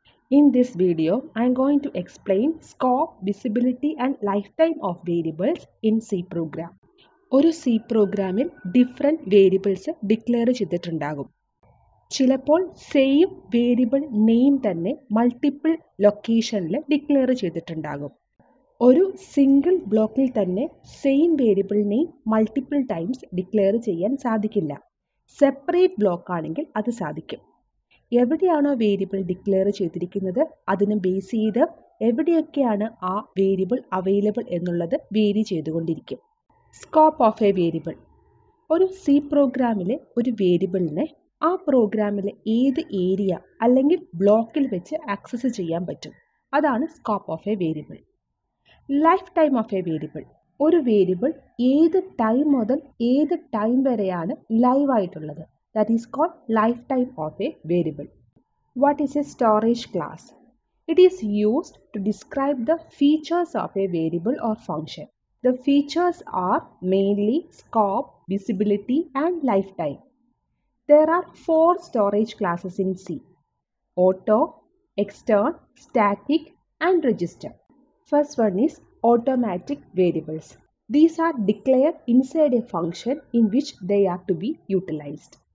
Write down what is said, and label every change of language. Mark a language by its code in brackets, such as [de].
[en] In this video, I am going to explain scope, visibility and lifetime of variables in C program. [ml] ഒരു C പ്രോഗ്രാമിൽ different variables declare ചെയ്തിട്ടുണ്ടാകും. ചിലപ്പോൾ same variable name തന്നെ multiple ലൊക്കേഷനിൽ declare ചെയ്തിട്ടുണ്ടാകും. ഒരു single ബ്ലോക്കിൽ തന്നെ same variable name multiple times declare ചെയ്യാൻ സാധിക്കില്ല. സെപ്പറേറ്റ് ബ്ലോക്കാണെങ്കിൽ അത് സാധിക്കും. എവിടെയാണോ വേരിയബിൾ ഡിക്ലെയർ ചെയ്തിരിക്കുന്നത് അതിനെ ബേസ് ചെയ്ത് എവിടെയൊക്കെയാണ് ആ വേരിയബിൾ അവൈലബിൾ എന്നുള്ളത് വേരി ചെയ്തുകൊണ്ടിരിക്കും. [en] Scope of a variable. [ml] ഒരു സി പ്രോഗ്രാമിലെ ഒരു വേരിയബിളിനെ ആ പ്രോഗ്രാമിലെ ഏത് ഏരിയ അല്ലെങ്കിൽ ബ്ലോക്കിൽ വെച്ച് ആക്സസ് ചെയ്യാൻ പറ്റും. അതാണ് [en] Scope of a variable. Lifetime of a variable. [ml] ഒരു വേരിയബിൾ ഏത് ടൈം മുതൽ ഏത് ടൈം വരെയാണ് ലൈവ് ആയിട്ടുള്ളത്. [en] That is called lifetime of a variable. What is a storage class? It is used to describe the features of a variable or function. The features are mainly scope, visibility and lifetime. There are four storage classes in C: auto, extern, static and register. First one is automatic variables. These are declared inside a function in which they are to be utilized.